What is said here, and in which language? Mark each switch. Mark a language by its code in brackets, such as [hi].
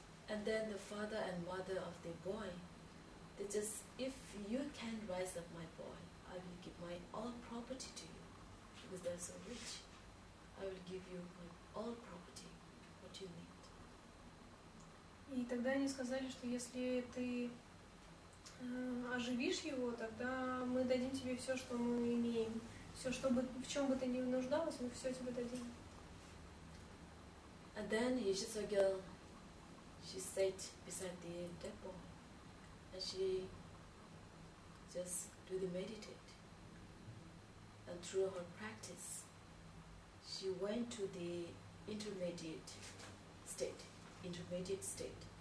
[en] And then the father and mother of the boy, they just, if you can rise up my boy, I will give my all property to you, because they are so rich. I will give you my all property, what achievement. [ru] И тогда они сказали, что если ты оживишь его, тогда мы дадим тебе все, что мы имеем. Все, что бы, в чем бы ты ни нуждалась, мы все тебе дадим. [en] And then Yishitsu girl, she sat beside the temple, and she just really meditate. And through her practice, she went to the intermediate state.